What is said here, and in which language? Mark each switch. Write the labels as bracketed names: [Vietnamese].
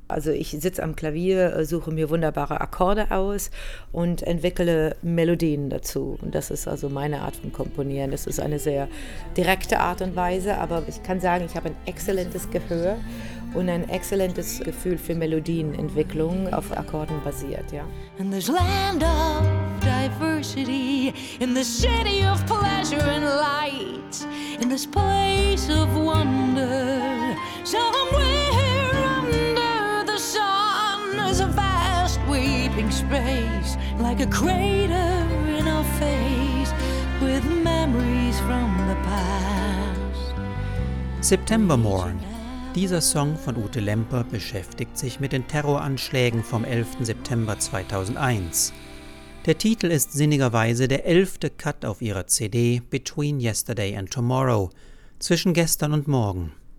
[German] Also ich sitze am Klavier, suche mir wunderbare Akkorde aus und entwickle Melodien dazu. Und das ist also meine Art von Komponieren. Das ist eine sehr direkte Art und Weise, aber ich kann sagen, ich habe ein exzellentes Gehör und ein exzellentes Gefühl für Melodienentwicklung auf Akkorden basiert, ja. [English] In this land of diversity, in the city of pleasure and light, in this place of wonder, somewhere under the sun is a vast weeping space, like a crater in our face, with memories from the past. September Morn. [German] Dieser Song von Ute Lemper beschäftigt sich mit den Terroranschlägen vom 11. September 2001. Der Titel ist sinnigerweise der 11. Cut auf ihrer CD Between Yesterday and Tomorrow, zwischen gestern und morgen.